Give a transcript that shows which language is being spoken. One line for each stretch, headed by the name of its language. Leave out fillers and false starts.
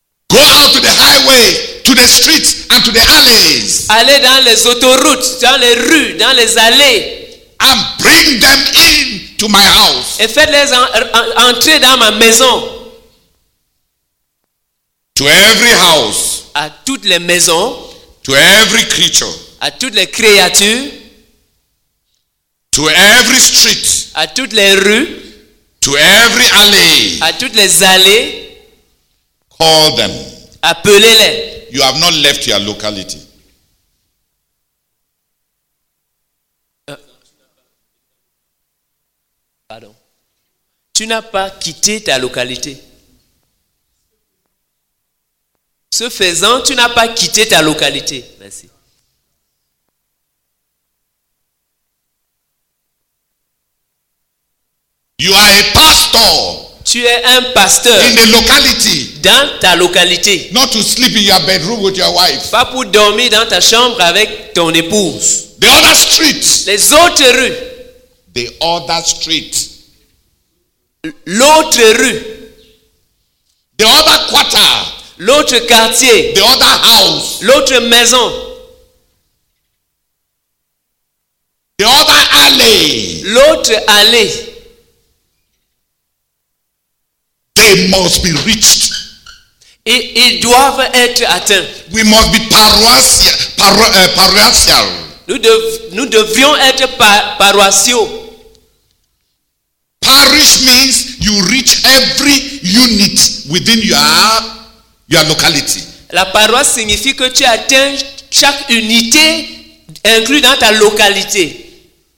English: Go out to the highway, to the streets, and to the alleys.
French: Aller dans les autoroutes, dans les rues, dans les allées.
English: And bring them in to my house.
French: Et faites-les entrer dans ma maison.
English: To every house.
French: À toutes les maisons.
English: To every creature.
French: À toutes les créatures.
English: To every street.
French: À toutes les rues.
English: To every alley.
French: À toutes les allées.
English: Call them.
French: Appelez-les.
English: You have not left your locality.
French: Tu n'as pas quitté ta localité. Ce faisant, tu n'as pas quitté ta localité. Merci.
English: You are a pastor.
French: Tu es un pasteur.
English: In the locality.
French: Dans ta localité.
English: Not to sleep in your bedroom with your wife.
French: Pas pour dormir dans ta chambre avec ton épouse.
English: The other street.
French: Les autres rues.
English: The other street.
French: L'autre rue.
English: The other quarter.
French: L'autre quartier.
English: The other house.
French: L'autre maison.
English: The other alley.
French: L'autre allée.
English: They must be reached.
French: Et ils doivent être atteints.
English: We must be paroissial.
French: Nous devions être paroissiaux.
English: Parish means you reach every unit within your locality.
French: La paroisse signifie que tu atteins chaque unité inclus dans ta localité.